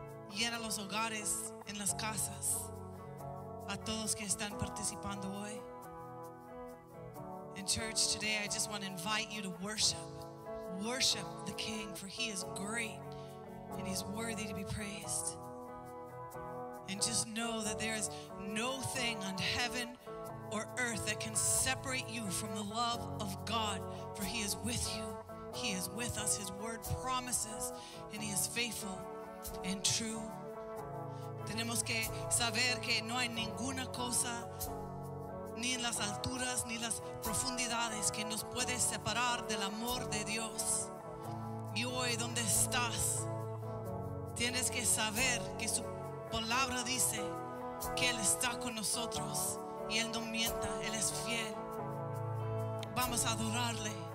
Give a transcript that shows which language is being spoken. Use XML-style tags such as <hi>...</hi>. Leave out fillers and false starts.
<es>Llena los hogares, en las casas, a todos que están participando hoy.</es> <en>In church today, I just want to invite you to worship. Worship the King, for he is great and he's worthy to be praised. And just know that there is no thing on heaven or earth that can separate you from the love of God, for he is with you. He is with us. His word promises, and he is faithful and true.</en> <es>Tenemos que saber que no hay ninguna cosa, ni en las alturas, ni las profundidades, que nos puede separar del amor de Dios. Y hoy, donde estás, tienes que saber que su palabra dice que Él está con nosotros y Él no mienta, Él es fiel. Vamos a adorarle.</es>